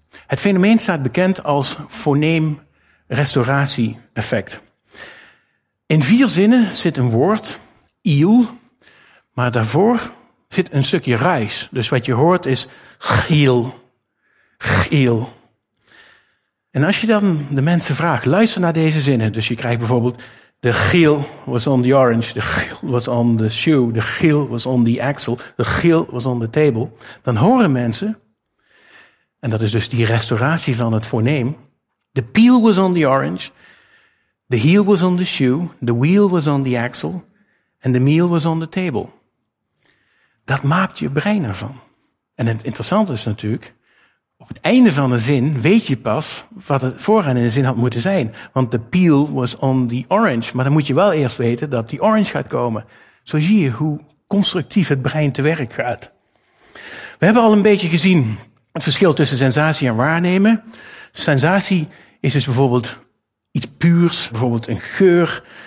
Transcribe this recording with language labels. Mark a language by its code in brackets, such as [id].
[nl] Het fenomeen staat bekend als foneemrestauratie-effect. In 4 zinnen zit een woord, iel, maar daarvoor zit een stukje ruis. Dus wat je hoort is giel, giel. En als je dan de mensen vraagt, luister naar deze zinnen. Dus je krijgt bijvoorbeeld: [en] the giel was on the orange, the giel was on the shoe, the giel was on the axle, the giel was on the table. [nl] Dan horen mensen, en dat is dus die restauratie van het foneem: [en] the peel was on the orange, the heel was on the shoe, the wheel was on the axle, and the meal was on the table. [nl] Dat maakt je brein ervan. En het interessante is natuurlijk, op het einde van de zin weet je pas wat het vooraan in de zin had moeten zijn. Want [en] the peel was on the orange. [nl] Maar dan moet je wel eerst weten dat die orange gaat komen. Zo zie je hoe constructief het brein te werk gaat. We hebben al een beetje gezien het verschil tussen sensatie en waarnemen. Sensatie is dus bijvoorbeeld iets puurs, bijvoorbeeld een geur.